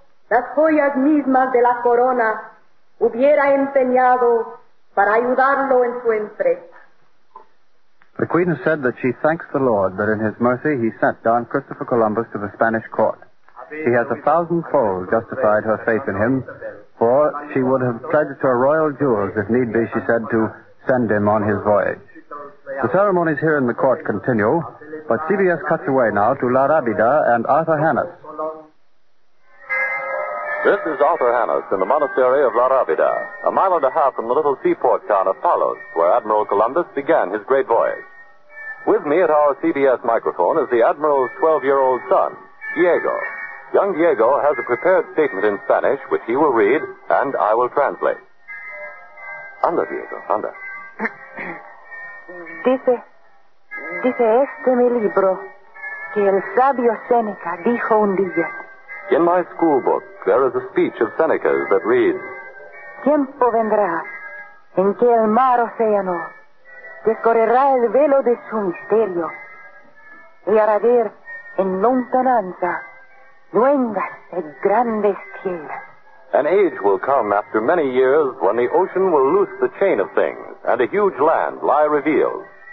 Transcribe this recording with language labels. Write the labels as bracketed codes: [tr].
[es] Las joyas mismas de la corona hubiera empeñado para ayudarlo en su empresa. [en] The queen has said that she thanks the Lord that in his mercy he sent Don Christopher Columbus to the Spanish court. She has 1,000-fold justified her faith in him, for she would have pledged her royal jewels, if need be, she said, to send him on his voyage. The ceremonies here in the court continue, but CBS cuts away now to La Rábida and Arthur Hannes. This is Arthur Hannes in the monastery of La Rábida, a mile and a half from the little seaport town of Palos, where Admiral Columbus began his great voyage. With me at our CBS microphone is the Admiral's 12-year-old son, Diego. Young Diego has a prepared statement in Spanish, which he will read, and I will translate. [es] Anda, Diego, anda. Dice este mi libro que el sabio Seneca dijo un día. [en] In my schoolbook, there is a speech of Seneca's that reads, [es] Tiempo vendrá en que el mar océano descorrerá el velo de su misterio y hará ver en lontananza luengas de grandes tierras. [en] An age will come after many years when the ocean will loose the chain of things and a huge land lie revealed.